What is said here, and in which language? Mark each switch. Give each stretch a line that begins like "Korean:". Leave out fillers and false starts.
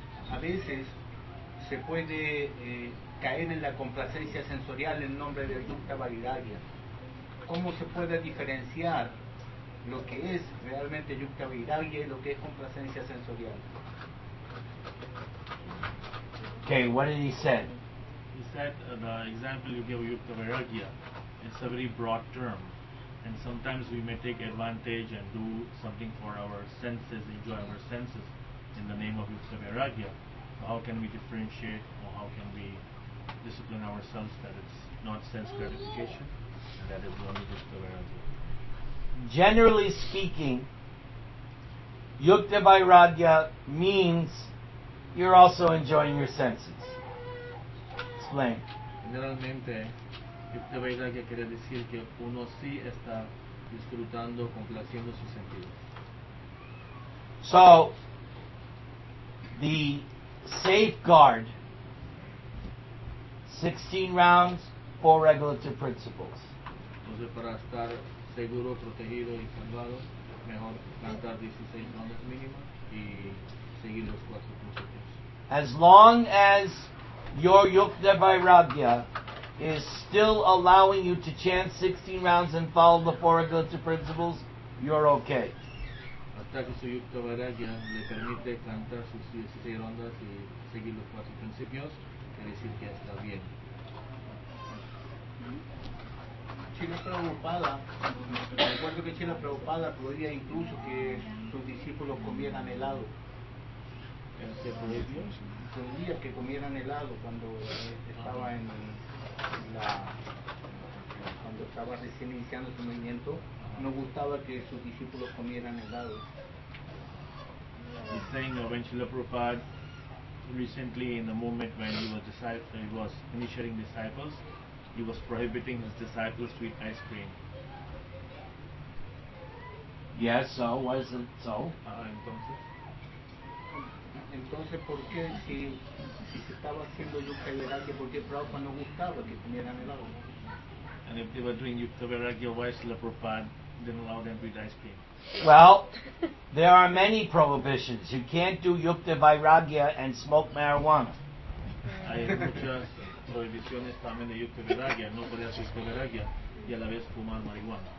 Spanish: A veces se puede caer en la complacencia sensorial en nombre del yukta vairagya. ¿Cómo se puede diferenciar lo que es realmente yukta vairagya y lo que es complacencia sensorial?
English: Okay, what did he say? He said the example you gave, yukta vairagya, it's a very broad term. And sometimes we may take advantage and do something for our senses, enjoy our senses in the name of yukta vairagya. So how can we differentiate, or how can we discipline ourselves that it's not sense gratification and that it's only yukta vairagya? Generally speaking, yukta vairagya means you're also enjoying your senses. Explain.
Spanish: Generalmente, yukta vairagya quiere decir que uno sí está disfrutando, complaciendo sus sentidos.
English: So, the safeguard, 16 rounds, 4 regulative principles.
Spanish: Entonces, para estar seguro, protegido y salvado, mejor cantar 16 rounds mínimo y seguir los 4 principios.
English: As long as your yukta vairagya is still allowing you to chant 16 rounds and follow the four regulative principles, you're okay.
Spanish: Hasta que su yukta vairagya le permite cantar sus 16 rondas y seguir los 4 principios, quiere decir que está bien. Si Chila Prabhupada, recuerdo que Chila Prabhupada podría incluso que sus discípulos comieran helado. Entendía que comieran helado cuando estaba en la cuando estaba recién iniciando su movimiento. No gustaba que sus discípulos comieran helado.
English: He's saying that when Srila Prabhupada recently in the moment when he was initiating disciples, he was prohibiting his disciples to eat ice cream. Yes, so why is it so?
Spanish: Entonces, ¿por qué si se estaba haciendo yukta vairagya, por qué Prabhupada no gustaba que comieran helado?
English: And if they were doing yukta vairagya, why Srila Prabhupada didn't allow them to eat ice cream? Well, there are many prohibitions. You can't do yukta vairagya and smoke marijuana.
Spanish: Hay muchas prohibiciones también de yukta vairagya. No podía hacer yukta vairagya y a la vez fumar marihuana.